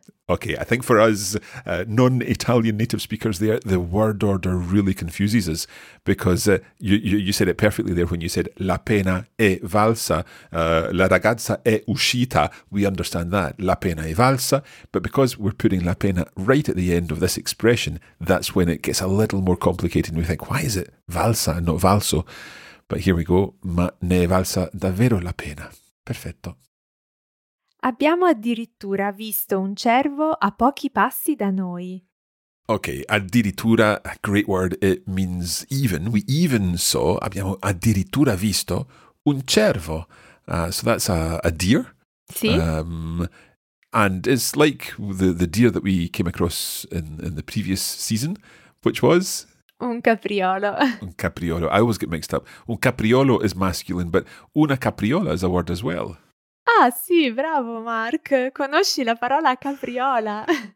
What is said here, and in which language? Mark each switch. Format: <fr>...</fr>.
<en>Okay, I think for us non-Italian native speakers there, the word order really confuses us, because you said it perfectly there when you said</en> <it>la pena è valsa, la ragazza è uscita.</it> <en>We understand that,</en> <it>la pena è valsa,</it> <en>but because we're putting la pena right at the end of this expression, that's when it gets a little more complicated and we think, why is it valsa and not valso? But here we go,</en> <it>ma ne è valsa davvero la pena. Perfetto. Abbiamo addirittura visto un cervo a pochi passi da noi.</it> <en>Okay, addirittura, a great word, it means even. We even saw,</en> <it>abbiamo addirittura visto,</it> <en>un cervo. So that's a deer.</en> <it>Sì.</it> <en>And it's like the deer that we came across in the previous season, which was...</en> <it>Un capriolo.</it> <en>Un capriolo. I always get mixed up. Un capriolo is masculine, but una capriola is a word as well.</en> <it>Ah, sì, bravo, Mark. Conosci la parola capriola?</it>